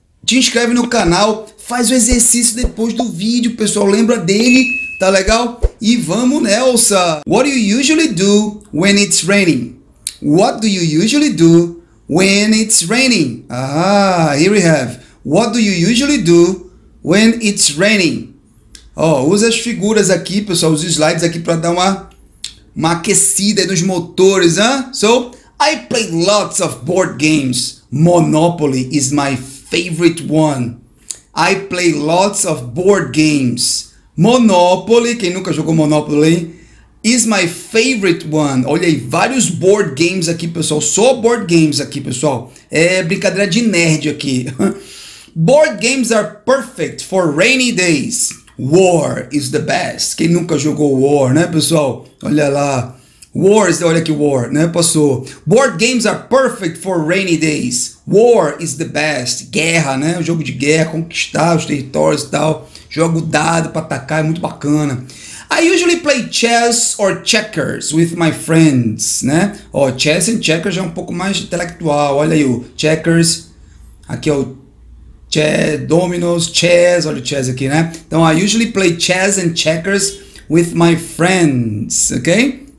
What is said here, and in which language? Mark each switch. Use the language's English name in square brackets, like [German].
[Portuguese] Te inscreve no canal. Faz o exercício depois do vídeo, pessoal. Lembra dele, tá legal? E vamos nessa. [English] What do you usually do when it's raining? What do you usually do when it's raining? Ah, here we have. What do you usually do when it's raining? [Portuguese] Ó, usa as figuras aqui, pessoal, os slides aqui para dar uma aquecida aí nos motores, hein? [English] So, I play lots of board games. Monopoly is my favorite one. I play lots of board games. Monopoly, [Portuguese] quem nunca jogou Monopoly, [English] is my favorite one. [Portuguese] Olha aí, vários board games aqui, pessoal. Só board games aqui, pessoal. É brincadeira de nerd aqui. [English] Board games are perfect for rainy days. War is the best. [Portuguese] Quem nunca jogou War, né, pessoal? Olha lá. War is... Olha aqui, War, né? Passou. [English] Board games are perfect for rainy days. War is the best. [Portuguese] Guerra, né? O jogo de guerra, conquistar os territórios e tal. Jogo dado pra atacar, é muito bacana. [English] I usually play chess or checkers with my friends, né? [Portuguese] Ó, chess and checkers é um pouco mais intelectual. Olha aí o checkers. Aqui é o chess, dominoes, chess. Olha o chess aqui, né? [English] Então, I usually play chess and checkers with my friends, ok?